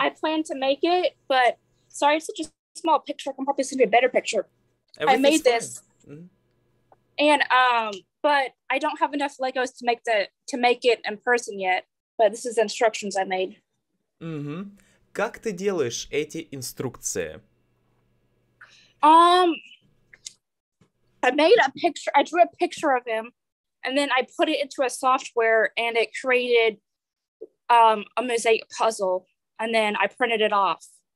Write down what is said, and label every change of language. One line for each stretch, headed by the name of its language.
English: I plan to make it, but sorry, it's such a small picture. I can probably send you a better picture. Everything I made this. Mm-hmm. And but I don't have enough Legos to make it in person yet. But this is the instructions I made. Mm-hmm.
Russian: Как ты делаешь эти инструкции?
English: I made a picture, I drew a picture of him, and then I put it into a software, and it created a mosaic puzzle, and then I printed it off.